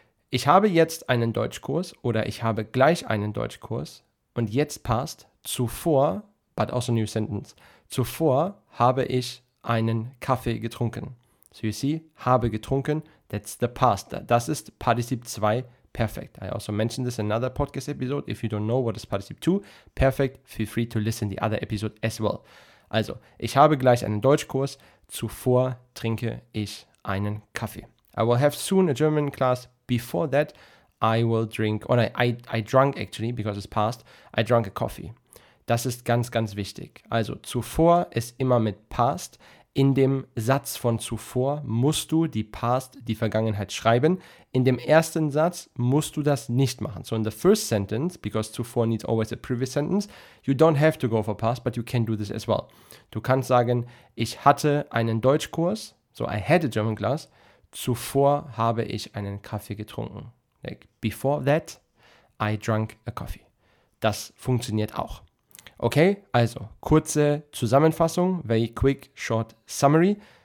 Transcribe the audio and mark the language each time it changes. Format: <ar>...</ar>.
<de>Ich habe jetzt einen Deutschkurs oder ich habe gleich einen Deutschkurs und jetzt passt zuvor,</de> <en>but also new sentence,</en> <de>zuvor habe ich einen Kaffee getrunken.</de> <en>So you see, habe getrunken, that's the past.</en> <de>Das ist Partizip 2 perfekt.</de> <en>I also mentioned this in another podcast episode. If you don't know what is Partizip 2 perfect, feel free to listen the other episode as well.</en> <de>Also, ich habe gleich einen Deutschkurs, zuvor trinke ich einen Kaffee.</de> <en>I will have soon a German class. Before that, I will drink, or I drunk actually, because it's past, I drank a coffee.</en> <de>Das ist ganz, ganz wichtig. Also, zuvor ist immer mit past. In dem Satz von zuvor musst du die past, die Vergangenheit, schreiben. In dem ersten Satz musst du das nicht machen.</de> <en>So, in the first sentence, because zuvor needs always a previous sentence, you don't have to go for past, but you can do this as well.</en> <de>Du kannst sagen, ich hatte einen Deutschkurs,</de> <en>so I had a German class,</en> <de>zuvor habe ich einen Kaffee getrunken.</de> <en>Like, before that, I drank a coffee.</en> <de>Das funktioniert auch. Okay, also, kurze Zusammenfassung,</de> <en>very quick, short summary.</en>